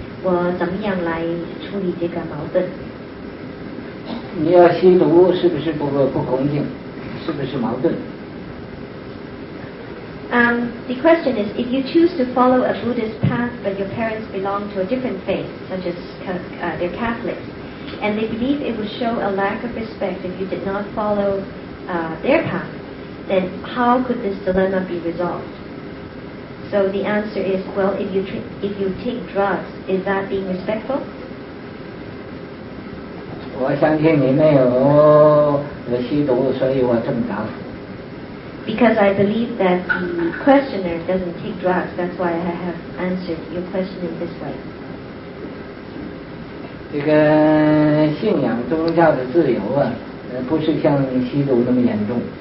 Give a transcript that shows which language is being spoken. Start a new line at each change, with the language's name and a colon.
Chinese: 我怎么样来处理这个矛盾？你要吸毒是不是不恭敬？是不是矛盾？
English: The question is, if you choose to follow a Buddhist path, but your parents belong to a different faith, such as they're Catholics, and they believe it would show a lack of respect if you did not follow their path, then how could this dilemma be resolved? So the answer is, well, if you take drugs, is that being respectful?
Chinese: 我相信你没有吸毒，所以我这么答复。
English: Because I believe that the questioner doesn't take drugs, that's why I have answered your question in this way.
Chinese: 这个信仰宗教的自由啊，不是像吸毒那么严重。